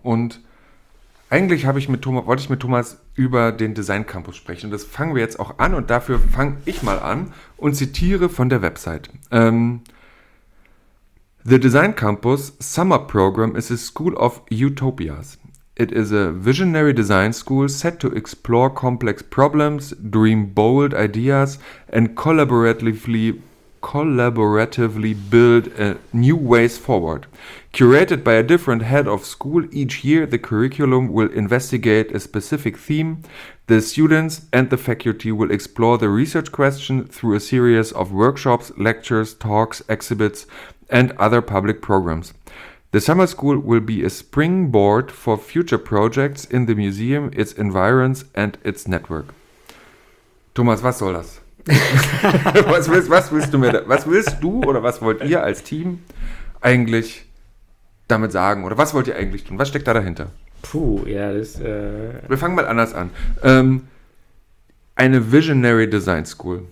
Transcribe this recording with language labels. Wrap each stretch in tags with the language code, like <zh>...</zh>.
<de>Und eigentlich wollte ich mit Thomas über den Design Campus sprechen. Und das fangen wir jetzt auch an. Und dafür fange ich mal an und zitiere von der Website.</de> <en>The Design Campus Summer Program is a school of utopias. It is a visionary design school set to explore complex problems, dream bold ideas, and collaboratively build new ways forward. Curated by a different head of school each year, the curriculum will investigate a specific theme. The students and the faculty will explore the research question through a series of workshops, lectures, talks, exhibits, and other public programs. The summer school will be a springboard for future projects in the museum, its environs and its network.</en> <de>Thomas, was soll das? was wollt ihr als Team eigentlich damit sagen? Oder was wollt ihr eigentlich tun? Was steckt da dahinter? Puh, ja, das... Wir fangen mal anders an. Eine Visionary Design School.</de>